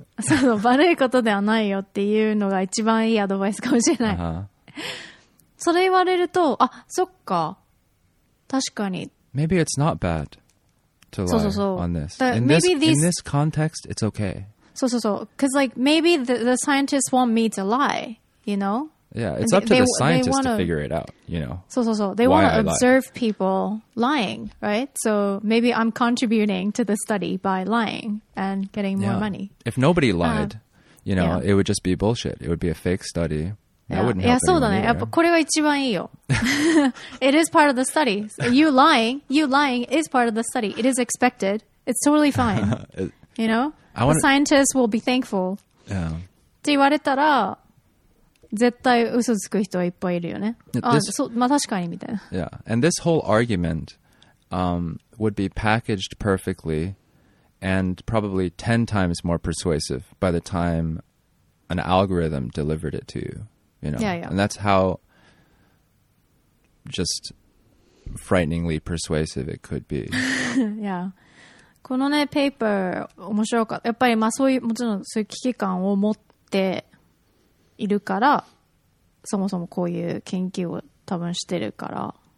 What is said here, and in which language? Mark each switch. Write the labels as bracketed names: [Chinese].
[Japanese] その悪いことではないよっていうのが一番いいアドバイスかもしれない。それ言われると、あ、そっか。確かに。 [English] Maybe it's not bad to lie on this. In this context, it's okay. So, so, so. Because, like, maybe the scientists want me to lie, you know? Yeah, it's up to the scientists to figure it out, you know? So, so, so. They want to observe people lying, right? So, maybe I'm contributing to the study by lying and getting more money. If nobody lied, you know, it would just be bullshit. It would be a fake study. [Japanese] いやそうだね。やっぱこれが一番いいよ。 [English] It is part of the study. You lying is part of the study. It is expected. It's totally fine. You know? The scientists will be thankful. Yeah. [Japanese] って言われたら、絶対嘘つく人はいっぱいいるよね。そう、まあ確かにみたいな。 [English] Yeah. And this whole argument, would be packaged perfectly and probably 10 times more persuasive by the time an algorithm delivered it to you. You know? Yeah, yeah. And that's how just frighteningly persuasive it could be. Yeah. [Japanese] このね、ペーパー面白かった。やっぱりまあそういう、もちろんそういう危機感を持っているから、そもそもこういう研究を多分してるから。